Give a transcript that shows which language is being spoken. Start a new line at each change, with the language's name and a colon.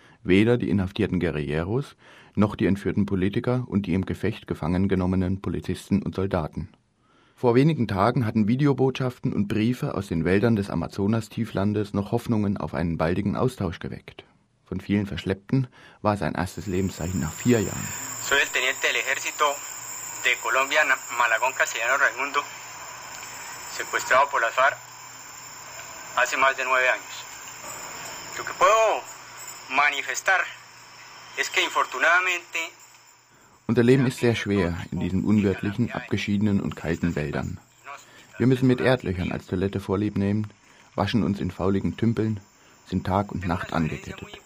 German: Weder die inhaftierten Guerilleros, noch die entführten Politiker und die im Gefecht gefangen genommenen Polizisten und Soldaten. Vor wenigen Tagen hatten Videobotschaften und Briefe aus den Wäldern des Amazonas-Tieflandes noch Hoffnungen auf einen baldigen Austausch geweckt. Von vielen Verschleppten war sein erstes Lebenszeichen nach 4 Jahren.
Spanish: Soy el teniente del ejército de Colombia, Malagón Castellano Raimundo, secuestrado por las FARC hace más de 9 años. Lo que puedo manifestar es que infortunadamente...
German: Unser Leben ist sehr schwer in diesen unwirtlichen, abgeschiedenen und kalten Wäldern. Wir müssen mit Erdlöchern als Toilette Vorlieb nehmen, waschen uns in fauligen Tümpeln, sind Tag und Nacht angekettet.